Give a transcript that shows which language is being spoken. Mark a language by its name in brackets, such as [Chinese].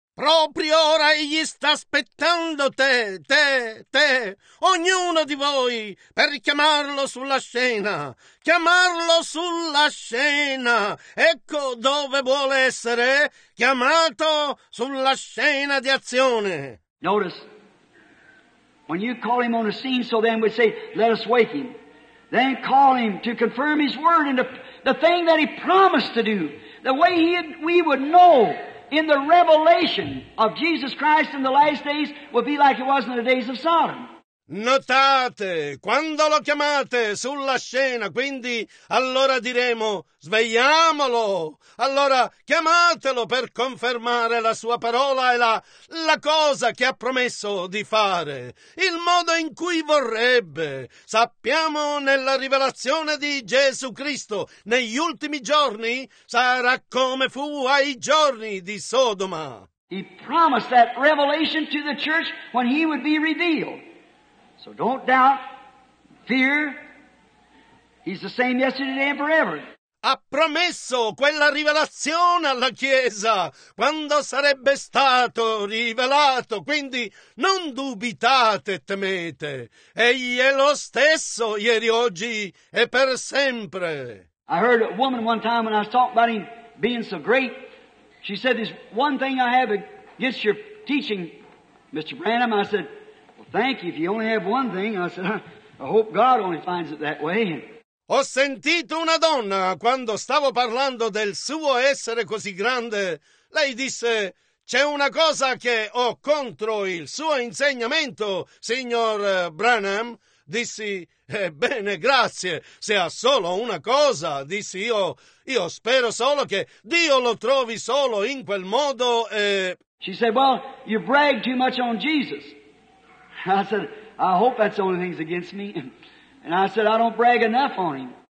[Italian] Proprio ora egli sta aspettando te, te, te, ognuno di voi, per chiamarlo sulla scena. Chiamarlo sulla scena. Ecco dove vuole essere chiamato, sulla scena di azione. [English] Notice, when you call him on the scene, so then we say, let us wake him. Then call him to confirm his word and the thing that he promised to do. The way we would know. In the revelation of Jesus Christ in the last days will be like it was in the days of Sodom. [Italian] Notate, quando lo chiamate sulla scena, quindi allora diremo, svegliamolo. Allora chiamatelo per confermare la sua parola e la cosa che ha promesso di fare, il modo in cui vorrebbe. Sappiamo nella rivelazione di Gesù Cristo, negli ultimi giorni sarà come fu ai giorni di Sodoma. [English] He promised that revelation to the church when he would be revealed. So don't doubt, fear, he's the same yesterday and forever. [Italian] Ha promesso quella rivelazione alla Chiesa quando sarebbe stato rivelato, quindi non dubitate, temete. Egli è lo stesso ieri, oggi e per sempre. [English] I heard a woman one time when I was talking about him being so great, she said, "There's one thing I have against your teaching, Mr. Branham." I said, "Thank you, if you only have one thing." I said, "I hope God only finds it that way." [Italian] Ho sentito una donna quando stavo parlando del suo essere così grande. Lei disse, "C'è una cosa che ho contro il suo insegnamento, signor Branham." Dissi, "Ebbene, grazie, se ha solo una cosa." Dissi, io spero solo che Dio lo trovi solo in quel modo e... [English] She said, "Well, you brag too much on Jesus." I said, "I hope that's the only thing that's against me." And I said, "I don't brag enough on him."